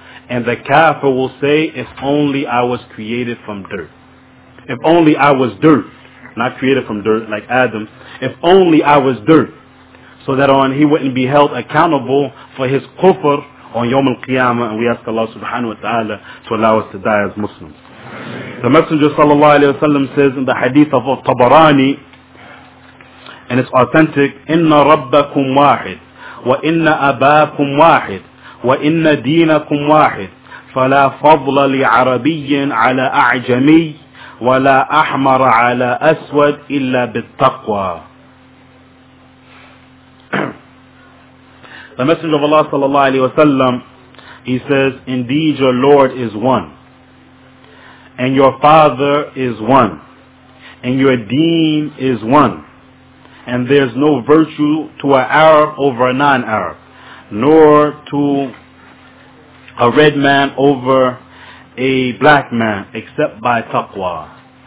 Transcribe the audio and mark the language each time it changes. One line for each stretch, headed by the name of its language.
English: And the kafir will say, if only I was created from dirt. If only I was dirt, not created from dirt like Adam. If only I was dirt, so that on he wouldn't be held accountable for his kufr on Yawm al-Qiyamah. And we ask Allah subhanahu wa ta'ala to allow us to die as Muslims.
Arabic: The Messenger sallallahu alayhi wa sallam says in the hadith of Tabarani, and it's authentic, إِنَّ رَبَّكُمْ وَاحِدٌ وَإِنَّ أَبَاكُمْ وَاحِدٌ وَإِنَّ دِينَكُمْ وَاحِدٌ فَلَا فَضْلَ لِعَرَبِيٍّ عَلَىٰ أَعْجَمِيٍّ وَلَا أَحْمَرَ عَلَىٰ أَسْوَدٍ إِلَّا بِالتَّقْوَىٰ.
English: The Messenger of Allah sallallahu alayhi wa sallam, he says, indeed your Lord is one, and your Father is one, and your Deen is one, and there's no virtue to an Arab over a non-Arab, nor to a red man over a black man, except by taqwa.